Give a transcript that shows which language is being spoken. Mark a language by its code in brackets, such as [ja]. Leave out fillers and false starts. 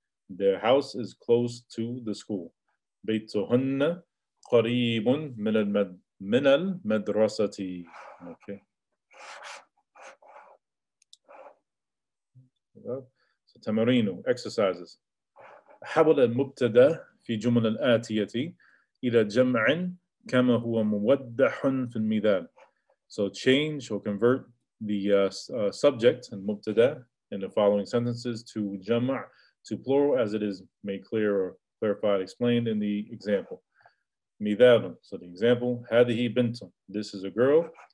[en] Their house is close to the school. [ar] بيتهن قريب من المدرسة. Okay. [en] So تمارينو, exercises. [ar] حول المبتدا في جمل الآتية إلى جمع كما هو موضح في المثال. [en] So change or convert the subject and mubtada in the following sentences to jama' to plural as it is made clear or clarified, explained in the example. Midhalun. So the example, [ar] hadhihi bintun. [en] This is a girl.